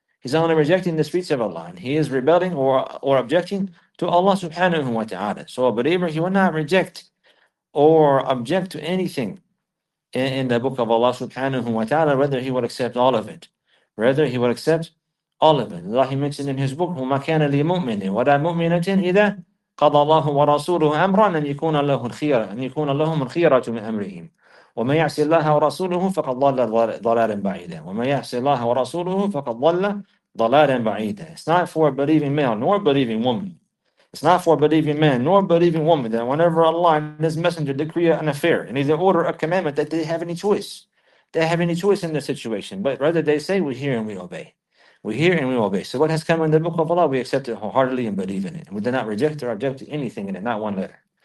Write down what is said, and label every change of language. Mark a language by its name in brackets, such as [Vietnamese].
[English] He's only rejecting the speech of Allah, and he is rebelling or objecting to Allah subhanahu wa ta'ala. So a believer, he will not reject or object to anything in the book of Allah subhanahu wa ta'ala, whether he will accept all of it. Rather, he will accept all of it. Allah, he mentioned in his book, [Arabic] وَمَا كَانَ لِمُؤْمِنٍ وَلَا مُؤْمِنَةٍ إِذَا قَضَى اللَّهُ وَرَسُولُهُ أَمْرًا أَنْ يَكُونَ لَهُمُ الْخِيَرَةُ أَنْ يَكُونَ لَهُمُ الْخِيَرَةُ مِنْ أَمْرِهِمْ وَمَنْ يَعْصِ اللَّهَ وَرَسُولَهُ فَقَدْ ضَلَّ ضَلَالًا بَعِيدًا وَمَنْ يَعْصِ اللَّهَ وَرَسُولَهُ فَقَدْ ضَلَّ ضَلَالًا بَعِيدًا. [English] It's not for a believing male nor a believing woman. It's not for a believing man nor a believing woman that whenever Allah and His Messenger decree an affair and either order a commandment that they have any choice. They have any choice in the situation, but rather they say, we hear and we obey. We hear and we obey. So what has come in the book of Allah, we accept it wholeheartedly and believe in it. We do not reject or object to anything in it, not one letter.